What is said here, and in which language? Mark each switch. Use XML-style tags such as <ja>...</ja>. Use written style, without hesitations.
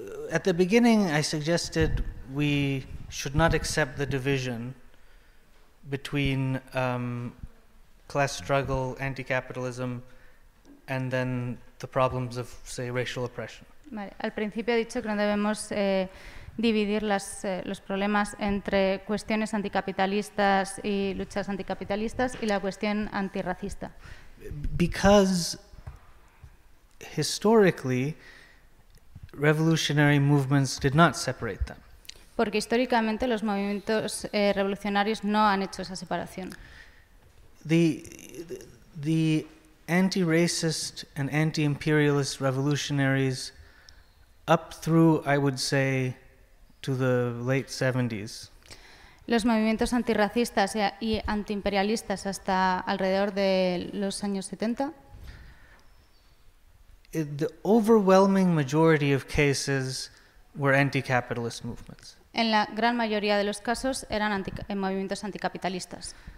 <en>At the beginning I suggested we should not accept the division between class struggle, anti-capitalism, and then the problems of, say, racial oppression. Vale.</en> <es>Al principio he dicho que no debemos dividir los problemas entre cuestiones anticapitalistas y luchas anticapitalistas y la cuestión antirracista.</es> <en>Because historically, revolutionary movements did not separate them.</en> <es>Porque históricamente los movimientos revolucionarios no han hecho esa separación.</es> <en>The anti-racist and anti-imperialist revolutionaries up through, I would say, to the late 70s.</en> <es>Los movimientos antirracistas y antiimperialistas hasta alrededor de los años 70.</es> <en>The overwhelming majority of cases were anti-capitalist movements.</en> <es>En la gran mayoría de los casos eran movimientos anticapitalistas.</es>